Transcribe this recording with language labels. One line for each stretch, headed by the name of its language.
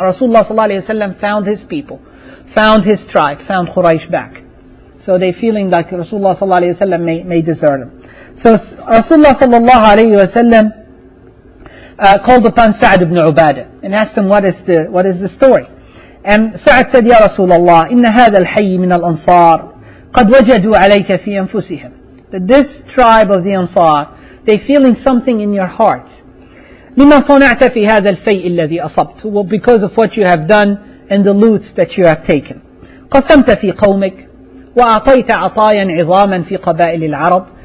English: Rasulullah sallallahu alayhi wa sallam found his people, found his tribe, found Quraysh back. So they feeling like Rasulullah sallallahu alayhi wa sallam may desert him. So Rasulullah sallallahu alayhi wa sallam called upon Sa'd ibn Ubadah and asked him, what is the story? And Sa'd said,
Arabic: Ya Rasulallah, إِنَّ هَذَا الْحَيِّ مِنَ الْأَنصَارِ قَدْ وَجَدُوا عَلَيْكَ فِي أَنفُسِهِمْ.
English: That this tribe of the Ansar, they feeling something in your hearts.
Arabic: لِمَا صَنَعْتَ فِي هَذَا الْفَيْءِ الَّذِي أَصَبْتُ.
English: Well, because of what you have done and the loots that you have taken.
Arabic: قَسَمْتَ فِي قَوْمِكَ وَأَعْطَيْتَ عَطَايًا عِظَامًا فِي قَبَائِلِ الْعَرَبِ.